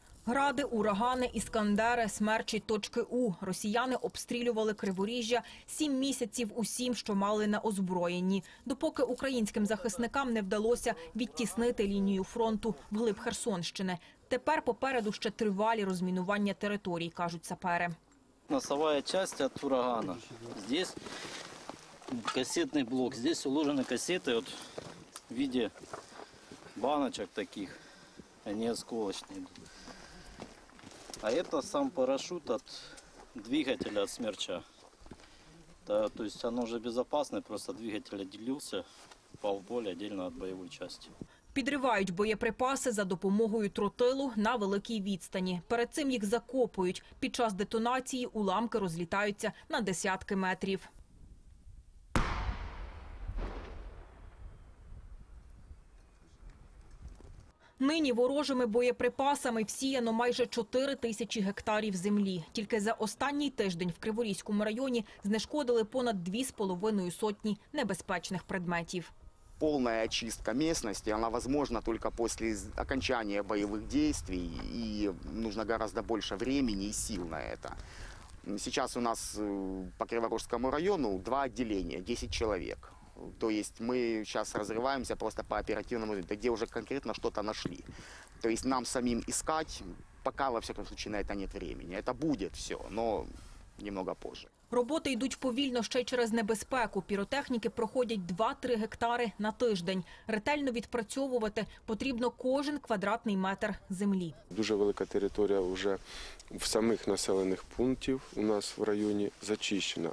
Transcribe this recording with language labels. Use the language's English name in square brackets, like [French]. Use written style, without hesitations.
[Ukrainian] Гради, урагани, Іскандери, смерчі, точки У. Росіяни обстрілювали Криворіжжя 7 місяців усім, що мали на озброєнні. Допоки українським захисникам не вдалося відтіснити лінію фронту вглиб Херсонщини. Тепер попереду ще тривалі розмінування територій, кажуть сапери. [Russian] Носовая часть от урагана. Здесь кассетный блок. Здесь уложены кассеты вот в виде баночек таких. Они осколочные. А это сам парашют от двигателя от смерча. Да, то есть оно уже безопасное, просто двигатель отделился, упал в поле отдельно от боевой части. [Ukrainian] Підривають боєприпаси за допомогою тротилу на великій відстані. Перед цим їх закопують. Під час детонації уламки розлітаються на десятки метрів. Нині ворожими боєприпасами всіяно майже 4 тисячі гектарів землі. Тільки за останній тиждень в Криворізькому районі знешкодили понад 2,5 сотні небезпечних предметів. [Russian] Полная очистка местности, она возможна только после окончания боевых действий, и нужно гораздо больше времени и сил на это. Сейчас у нас по Криворожскому району 2 отделения, 10 человек. То есть мы сейчас разрываемся просто по оперативному, где уже конкретно что-то нашли. То есть нам самим искать, пока, во всяком случае, на это нет времени. Это будет все, но немного позже. [Ukrainian] Роботи йдуть повільно ще й через небезпеку. Піротехніки проходять 2-3 гектари на тиждень. Ретельно відпрацьовувати потрібно кожен квадратний метр землі. Дуже велика територія вже в самих населених пунктів у нас в районі зачищена.